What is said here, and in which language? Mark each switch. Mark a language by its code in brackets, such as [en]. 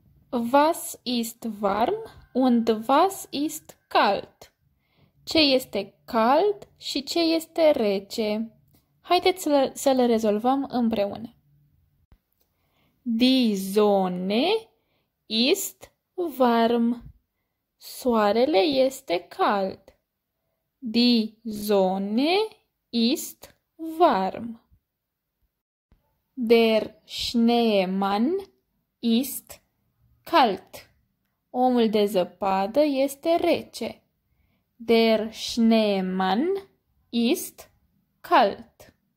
[de] Was ist warm und was ist kalt? [ro] Ce este cald și ce este rece? Haideți să le rezolvăm împreună. [de] Die Sonne ist warm. [ro] Soarele este cald. [de] Die Sonne ist warm. Der Schneemann ist kalt. [ro] Omul de zăpadă este rece. [de] Der Schneemann ist kalt.